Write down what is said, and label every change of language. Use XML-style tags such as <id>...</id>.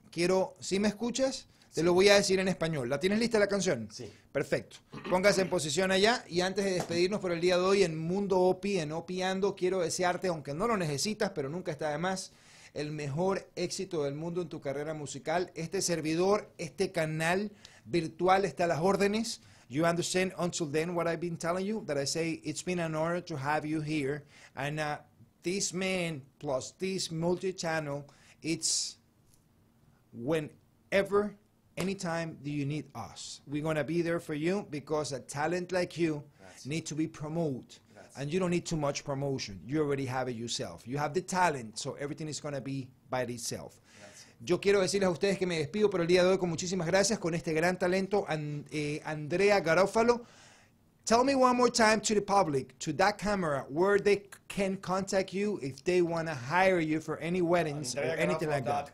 <es>Quiero, ¿sí me escuchas? Te lo voy a decir en español. ¿La tienes lista la canción? Sí. Perfecto. Póngase en posición allá. Y antes de despedirnos por el día de hoy en Mundo Opi, en Opiando, quiero desearte, aunque no lo necesitas, pero nunca está de más, el mejor éxito del mundo en tu carrera musical. Este servidor, este canal virtual está a las órdenes.</es> <en>You understand until then what I've been telling you, that I say it's been an honor to have you here. And this man plus this multi-channel, it's whenever... Anytime do you need us, we're going to be there for you because a talent like you needs to be promoted. And you don't need too much promotion. You already have it yourself. You have the talent, so everything is going to be by itself.</en> <es>Yo quiero decirles a ustedes que me despido por el día de hoy con muchísimas gracias con este gran talento, Andrea Garofalo.</es> <en>Tell me one more time to the public, to that camera, where they can contact you if they want to hire you for any weddings or anything like that.</en>